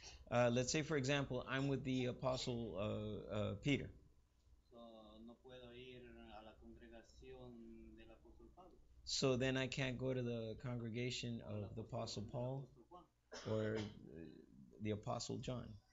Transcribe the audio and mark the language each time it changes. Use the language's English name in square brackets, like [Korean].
[English] Let's say, for example, I'm with the Apostle Peter. [Spanish] So, no puedo ir a la congregación del Apostle Pablo. [English] So then I can't go to the congregation of the Apostle Paul or the Apostle John.